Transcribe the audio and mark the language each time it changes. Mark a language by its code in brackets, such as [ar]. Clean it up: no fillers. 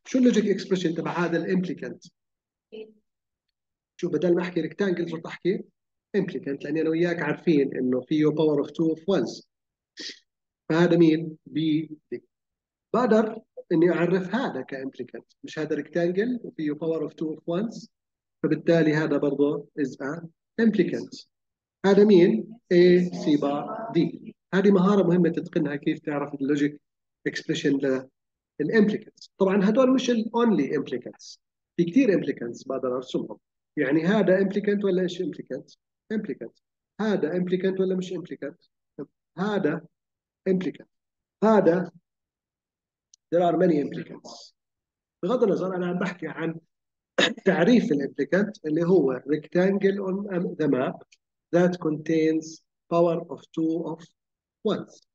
[ar] شو اللوجيك اكسبريشن تبع هذا الامبليكانت؟ شو بدل ما احكي ريكتانجل صرت احكي امبليكانت، لاني انا وياك عارفين انه فيه power of 2 of 1s. فهذا مين؟ بي دي. بقدر اني اعرف هذا كامبليكانت، مش هذا ريكتانجل وفيه power of 2 of 1s، فبالتالي هذا برضه [en] is a implicant. [ar] هذا مين؟ A C bar D. هذه مهارة مهمة تتقنها، كيف تعرف اللوجيك اكسبريشن للامبليكانتس. طبعا هذول مش الاونلي امبليكانتس، في كثير امبليكانتس بقدر ارسمهم. يعني هذا امبليكانت ولا ايش امبليكانت؟ امبليكانت. هذا امبليكانت ولا مش امبليكانت؟ هذا امبليكانت. [en] هذا there are many implicants. [ar] بغض النظر انا عم بحكي عن تعريف الامبليكانت اللي هو ريكتانجل اون ذا ماب [en] that contains power of 2 of 1.